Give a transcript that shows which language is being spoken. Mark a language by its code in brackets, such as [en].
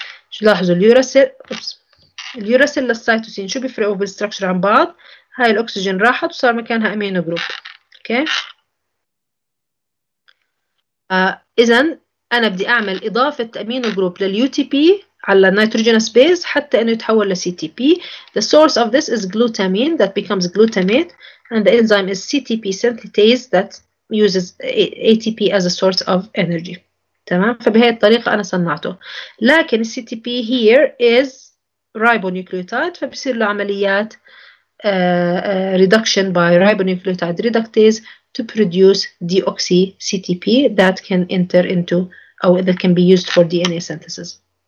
[ar] شو لاحظوا اليوراسيل اليوراسيل للسيتوسين شو بيفرقوا بالستركتشر عن بعض؟ هاي الأكسجين راحت وصار مكانها أمينو جروب. أوكي إذن أنا بدي أعمل إضافة أمينو جروب لليوتيب على نيتروجينس بيز حتى إنه يتحول لCTP. [en] The source of this is glutamine that becomes glutamate and the enzyme is CTP synthetase that uses ATP as a source of energy. [ar] تمام؟ فبهذه الطريقة أنا صنعته. لكن [en] CTP here is ribonucleotide [ar] فبصير له عمليات [en] reduction by ribonucleotide reductase to produce deoxy CTP that can enter into or that can be used for DNA synthesis.